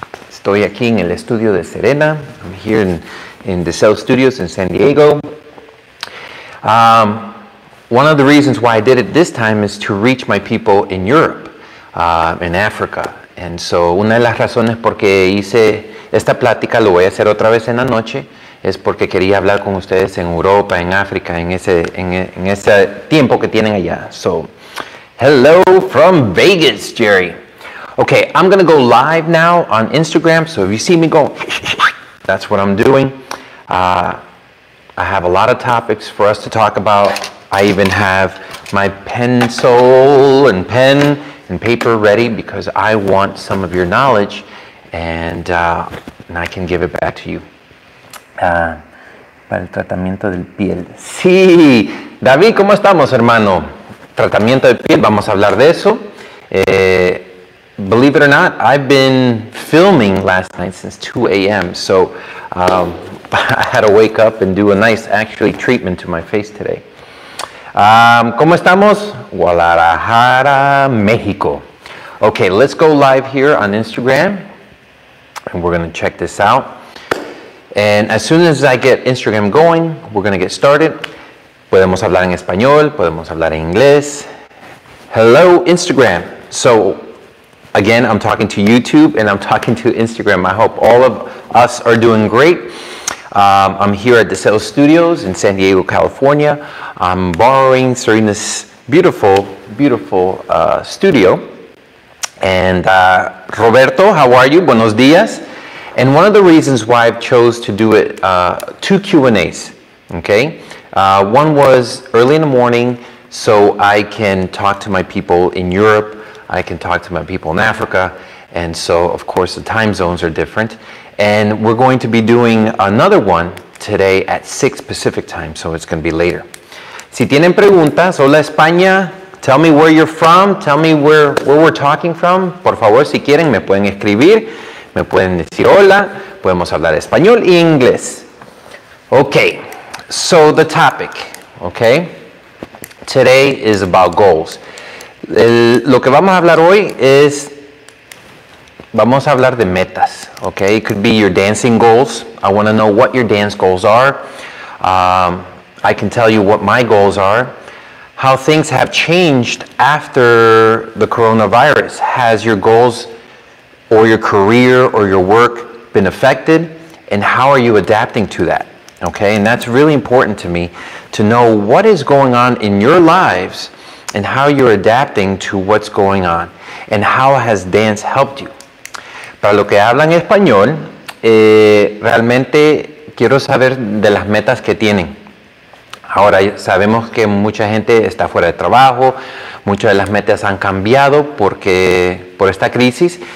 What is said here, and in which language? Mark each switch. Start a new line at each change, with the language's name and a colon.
Spanish: Estoy aquí en el estudio de Serena.
English: I'm here in the Cell Studios in San Diego. One of the reasons why I did it this time is to reach my people in Europe, in Africa. And so,
Spanish: una de las razones por qué hice esta plática, lo voy a hacer otra vez en la noche, es porque quería hablar con ustedes en Europa, en África, en ese tiempo que tienen allá.
English: So, hello from Vegas, Jerry. Okay, I'm going to go live now on Instagram. So, if you see me go, that's what I'm doing. I have a lot of topics for us to talk about. I even have my pencil and pen and paper ready because I want some of your knowledge and I can give it back to you.
Spanish: Para el tratamiento del piel. Sí, David, ¿cómo estamos, hermano? Tratamiento de piel, vamos a hablar de eso.
English: Believe it or not, I've been filming last night since 2 a.m. So I had to wake up and do a nice actually treatment to my face today.
Spanish: ¿Cómo estamos? Guadalajara, México.
English: Okay, let's go live here on Instagram. And we're going to check this out. And as soon as I get Instagram going, we're going to get started.
Spanish: Podemos hablar en español, podemos hablar en inglés.
English: Hello, Instagram. So, again, I'm talking to YouTube and I'm talking to Instagram. I hope all of us are doing great. I'm here at the Cell Studios in San Diego, California. I'm borrowing Serena's beautiful, beautiful studio. And Roberto, how are you?
Spanish: Buenos dias.
English: And one of the reasons why I've chose to do it, two Q&As, okay? One was early in the morning, so I can talk to my people in Europe, I can talk to my people in Africa, and so, of course, the time zones are different. And we're going to be doing another one today at 6 Pacific time, so it's going to be later.
Spanish: Si tienen preguntas, hola España,
English: tell me where you're from, tell me where we're talking from.
Spanish: Por favor, si quieren, me pueden escribir, me pueden decir hola, podemos hablar español y inglés.
English: Okay, so the topic, okay, today is about goals.
Spanish: Lo que vamos a hablar hoy es, vamos a hablar de metas, okay?
English: It could be your dancing goals. I want to know what your dance goals are. I can tell you what my goals are. How things have changed after the coronavirus. Has your goals or your career or your work been affected? And how are you adapting to that? Okay, and that's really important to me to know what is going on in your lives and how you're adapting to what's going on. And how has dance helped you?
Spanish: Para lo que hablan español, realmente quiero saber de las metas que tienen. Ahora, sabemos que mucha gente está fuera de trabajo, muchas de las metas han cambiado porque por esta crisis.